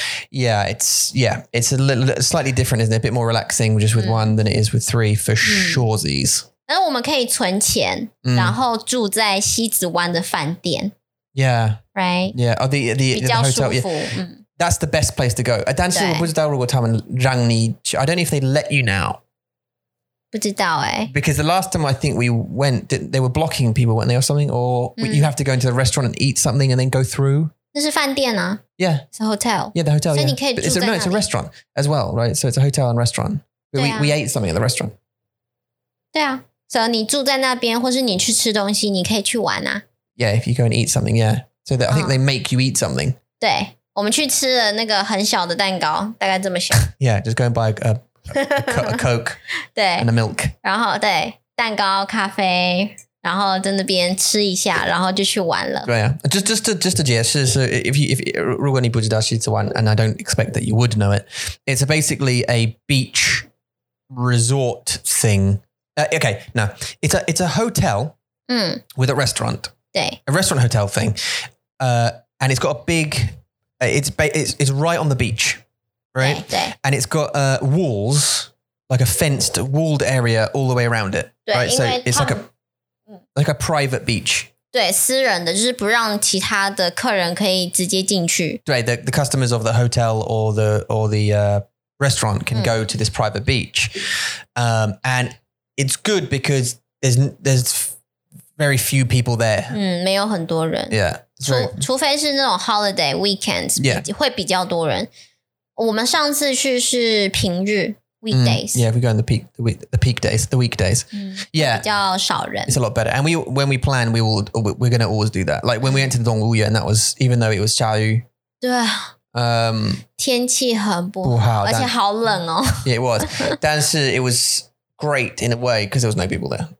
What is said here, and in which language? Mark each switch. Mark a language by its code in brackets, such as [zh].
[en] Yeah, it's a little slightly different, isn't it? A bit more relaxing just with one than it is with three for shorties. [zh] 但是我们可以存钱，然后住在西子湾的饭店。Yeah. [en] Right. Yeah. Oh, the hotel. Yeah. That's the best place to go. [zh] 但是我不知道如果他们让你, [en] I don't know if they let you now. [zh] 不知道欸. [en] Because the last time I think we went, they were blocking people, weren't they, or something? Or you have to go into the restaurant and eat something and then go through? [zh] 那是饭店啊? [en] Yeah. It's a hotel. Yeah, the hotel. [zh] 所以你可以住在那里? [en] Yeah. It's a restaurant as well, right? So it's a hotel and restaurant. But we ate something at the restaurant. [zh] 对啊. So 你住在那边,或是你去吃东西,你可以去玩啊. [en] Yeah, if you go and eat something, yeah. So that, I think they make you eat something. [zh] 对, 我们去吃了那个很小的蛋糕, 大概这么小。 [en] Yeah, just go and buy a Coke [zh] 对, [en] and a milk. [zh] 然后对, 蛋糕, 咖啡, 然后在那边吃一下, 然后就去玩了。 [en] Right, yeah. Just to [zh] 解释, [en] so if [zh] 如果你不知道西子湾, [en] and I don't expect that you would know it, it's basically a beach resort thing. Okay, no, it's a hotel with a restaurant. [zh] 对, [en] a restaurant hotel thing. And it's got a big, it's right on the beach. Right? [zh] 对, [en] and it's got walls, like a fenced, walled area all the way around it. [zh] 对, [en] right? So it's like a private beach. [zh] 对,私人的,就是不让其他的客人可以直接进去。 [en] Right, the customers of the hotel or the restaurant can go to this private beach. And it's good because there's very few people there. [zh] 没有很多人。 [en] Yeah. [zh] 除非是那种 [en] holiday, weekends, [zh] 会比较多人。我们上次去是平日 weekdays. [en] Yeah, we go in the peak days, the weekdays. Yeah, [zh] 比较少人. [en] It's a lot better. And when we plan, we're gonna always do that. Like when we went to the Dongwuyuan, and that was even though it was [zh] 下雨. 对. 天气很不好, 而且好冷哦. [en] Yeah, it was. 但是 it was great in a way because there was no people there.